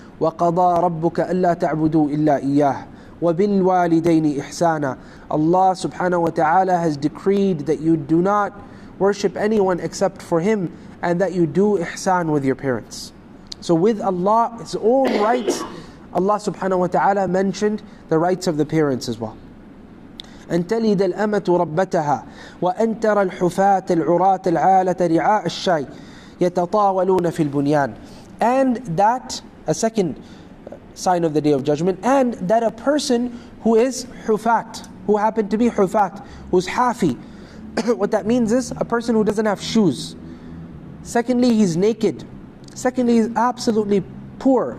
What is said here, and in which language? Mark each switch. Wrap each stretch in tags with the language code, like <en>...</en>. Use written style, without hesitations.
<ar>وَقَضَى رَبُّكَ أَلَّا تَعْبُدُوا إِلَّا إِيَّاهِ وَبِالْوَالِدَيْنِ إِحْسَانًا.</ar> <en>Allah subhanahu wa ta'ala has decreed that you do not worship anyone except for him, and that you do ihsan with your parents. So with Allah, his own rights, Allah subhanahu wa ta'ala mentioned the rights of the parents as well.</en> <ar>أن تلد الأمة ربتها وأن ترى الحفاة العراة العالة رعاء الشاء يتطاولون في البنيان.</ar> <en>And that, a second sign of the Day of Judgment, and that a person who is حفات, who happened to be حفات, who's حافي, what that means is a person who doesn't have shoes. Secondly, he's naked. Secondly, he's absolutely poor.</en>